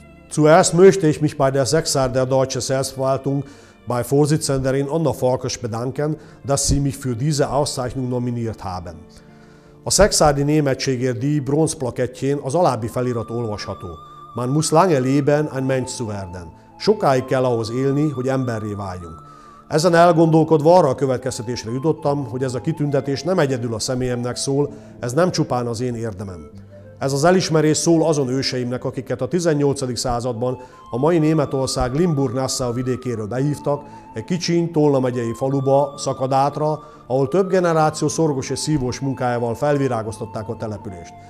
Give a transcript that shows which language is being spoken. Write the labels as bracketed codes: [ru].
[de] Zuerst möchte ich mich bei der Sechser der Deutschen Selbstverwaltung bei Vorsitzenderin Anna Farkas bedanken, dass sie mich für diese Auszeichnung nominiert haben. [hu] A Szekszárdi Németségért díj bronzplakettjén az alábbi felirat olvasható. [de] Man muss lange leben, ein Mensch zu werden. [hu] Sokáig kell ahhoz élni, hogy emberré váljunk. Ezen elgondolkodva arra a következtetésre jutottam, hogy ez a kitüntetés nem egyedül a személyemnek szól, ez nem csupán az én érdemem. Ez az elismerés szól azon őseimnek, akiket a 18. században a mai Németország Limburg-Nassau vidékéről behívtak, egy kicsiny Tolna megyei faluba, Szakadátra, ahol több generáció szorgos és szívós munkájával felvirágoztatták a települést.